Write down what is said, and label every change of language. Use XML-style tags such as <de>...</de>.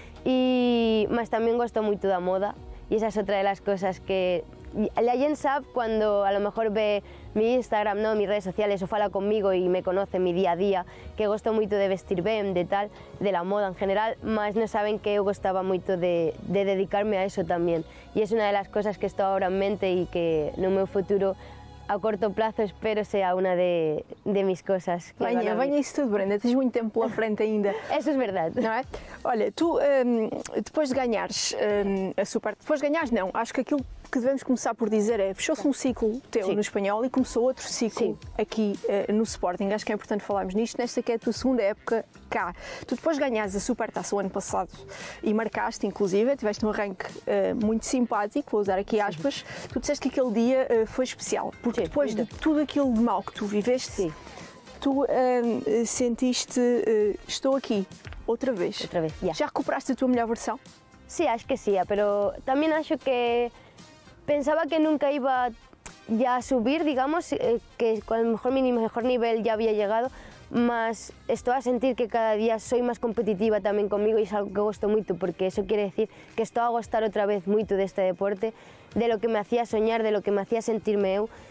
<es>Y más también gusto mucho de la moda. Y esa es otra de las cosas que la gente sabe cuando a lo mejor ve mi Instagram, ¿no?, mis redes sociales o fala conmigo y me conoce mi día a día, que gusto mucho de vestir bien, de tal, de la moda en general, más no saben que yo gustaba mucho de dedicarme a eso también. Y es una de las cosas que estoy ahora en mente y que en mi futuro, a corto plazo, espero sea una de mis cosas.</es> <pt>Venha, venha isso tudo, Brenda. Tens muito tempo pela frente ainda. Isso é verdade. Não é? Olha, tu, depois de ganhares a Super... Depois de ganhares, não. Acho que aquilo que devemos começar por dizer é fechou-se um ciclo teu Sim. no espanhol e começou outro ciclo Sim. aqui no Sporting. Acho que é importante falarmos nisto, nesta que é a tua segunda época cá. Tu depois ganhaste a Supertaça o ano passado e marcaste, inclusive, tiveste um arranque muito simpático, vou usar aqui aspas, Sim. tu disseste que aquele dia foi especial, porque Sim, depois ainda. De tudo aquilo de mal que tu viveste, Sim. tu sentiste, estou aqui, outra vez. Outra vez, yeah. Já recuperaste a tua melhor versão? Sim, acho que sim, mas também acho que...</pt> <es>Pensaba que nunca iba ya a subir, digamos, que a lo mejor mi mejor nivel ya había llegado, mas estoy a sentir que cada día soy más competitiva también conmigo y es algo que gusto mucho, porque eso quiere decir que estoy a gustar otra vez mucho de este deporte, de lo que me hacía soñar, de lo que me hacía sentirme yo.</es>